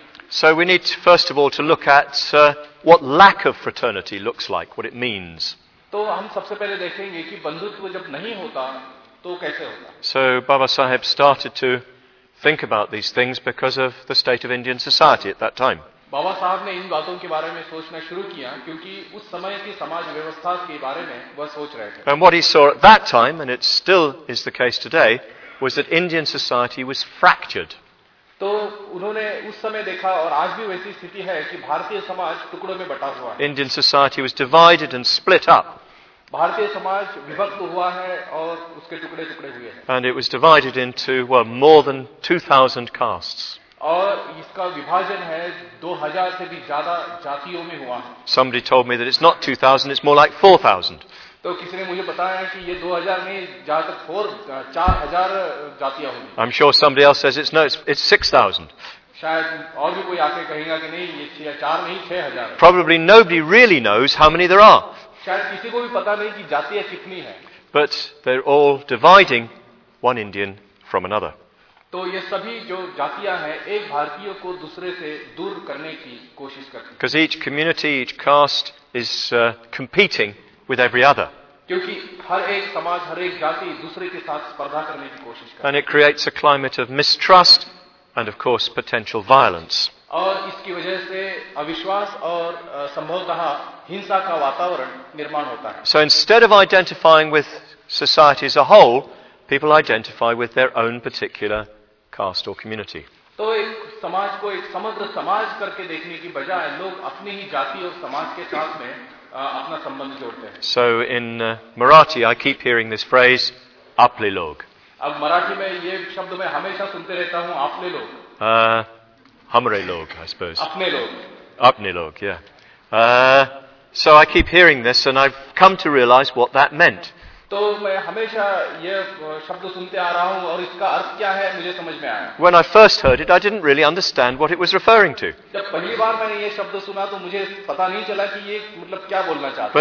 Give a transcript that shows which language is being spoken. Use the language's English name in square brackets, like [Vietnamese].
[English] So we need, first of all, to look at what lack of fraternity looks like, what it means. So Baba Sahib started to think about these things because of the state of Indian society at that time. [Hindi] बाबा साहब ने इन बातों के बारे में सोचना शुरू किया क्योंकि उस समय की समाज व्यवस्था के बारे में वह सोच रहे थे. [English] And what he saw at that time, and it still is the case today, was that Indian society was fractured. [Hindi] तो उन्होंने उस समय देखा और आज भी वैसी स्थिति है कि भारतीय समाज टुकड़ों में बटा हुआ है. [English] Indian society was divided and split up. [Hindi] Bharatiya Samaj विभक्त हुआ है और उसके टुकड़े टुकड़े हुए हैं. [English] And it was divided into more than 2,000 castes. [Hindi] और इसका विभाजन है 2,000 से भी ज्यादा जातियों में हुआ है. [English] Somebody told me that it's not 2,000, it's more like 4,000. [Hindi] तो किसी ने मुझे बताया कि ये 2,000 में जहां तक 4,000 जातियां होंगी. [English] I'm sure somebody else says it's 6,000. [Hindi] शायद और भी कोई आके कहेगा कि नहीं ये 4 नहीं 6,000. [English] Probably nobody really knows how many there are. [Hindi] शायद किसी को भी पता नहीं कि जातियां कितनी हैं. [English] But they're all dividing one Indian from another. [Hindi] तो ये सभी जो जातियां हैं एक भारतीय को दूसरे से दूर करने की कोशिश करती हैं. [English] Because each community, each caste is competing with every other. [Hindi] क्योंकि हर एक समाज हर एक जाति दूसरे के साथ स्पर्धा करने की कोशिश करती [English] है. And it creates a climate of mistrust and of course potential violence. [Hindi] और इसकी वजह से अविश्वास और संभवतः हिंसा का वातावरण निर्माण होता है. [English] So instead of identifying with society as a whole, people identify with their own particular caste or community. [Hindi] तो एक समाज को एक समग्र समाज करके देखने की बजाय लोग अपनी ही जाति और समाज के साथ में अपना संबंध जोड़ते हैं. [English] So in Marathi, I keep hearing this phrase, [Marathi] "आपले लोग." [Hindi] अब मराठी में ये शब्द मैं हमेशा सुनते रहता हूँ, [Marathi] आपले लोग. [Hindi] हमरे लोग, [English] I suppose. [Hindi] अपने लोग. अपने लोग, yeah. [English] So I keep hearing this, and I've come to realize what that meant. [Hindi] तो मैं हमेशा ये शब्द सुनते आ रहा हूँ और इसका अर्थ क्या है मुझे समझ में आया. [English] When I first heard it, I didn't really understand what it was referring to. [Hindi] जब पहली बार मैंने ये शब्द सुना तो मुझे पता नहीं चला कि ये मतलब क्या बोलना चाहता.